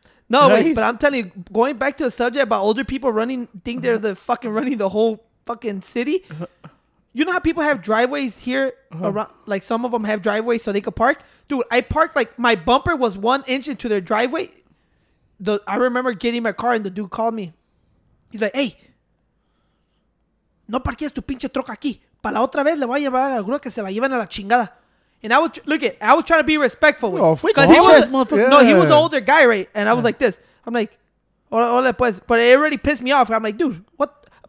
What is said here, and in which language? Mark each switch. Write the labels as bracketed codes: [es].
[en] No, right? Wait, but I'm telling you, going back to the subject about older people running, think they're the fucking running the whole fucking city. You know how people have driveways here around, like some of them have driveways so they could park? Dude, I parked like my bumper was 1 inch into their driveway. I remember getting my car and the dude called me. He's like, hey, [es] no parques tu pinche troca aquí. Para la otra vez le voy a llevar a la grúa que se la lleven a la chingada. [en] And I was I was trying to be respectful. He was an older guy, right? And I was like this. I'm like, [es] hola pues. [en] But it already pissed me off. I'm like, dude, what?